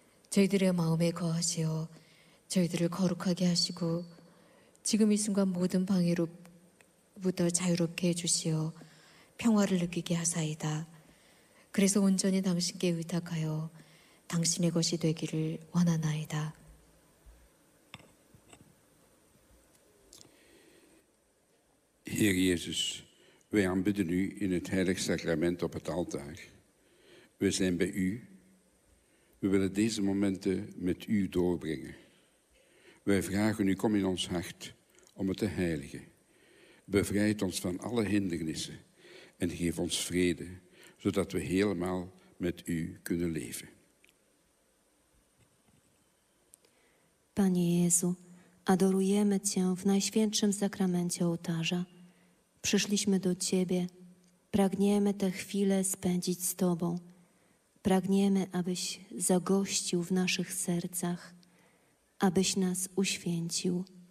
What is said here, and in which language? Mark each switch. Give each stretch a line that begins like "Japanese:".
Korean: 저희들의 마음에 거하시어 저희들을 거룩하게 하시고 지금 이 순간 모든 방해로부터 자유롭게 해주시어 평화를 느끼게 하사이다. 그래서 온전히 당신께 의탁하여 당신의 것이 되기를 원하나이다.
Dutch: Heer Jezus, wij aanbidden u in het heilig sacrament op het altaar. We zijn bij u. We willen deze momenten met u doorbrengen. Wij vragen u, kom in ons hart om het te heiligen. Bevrijd ons van alle hindernissen en geef ons vrede, zodat we helemaal met u kunnen leven.
Polish: Panie Jezu, Adorujemy Cię w Najświętszym Sakramencie Ołtarza. Przyszliśmy do Ciebie. Pragniemy tę chwilę spędzić z Tobą. Pragniemy, abyś zagościł w naszych sercach, abyś nas uświęcił.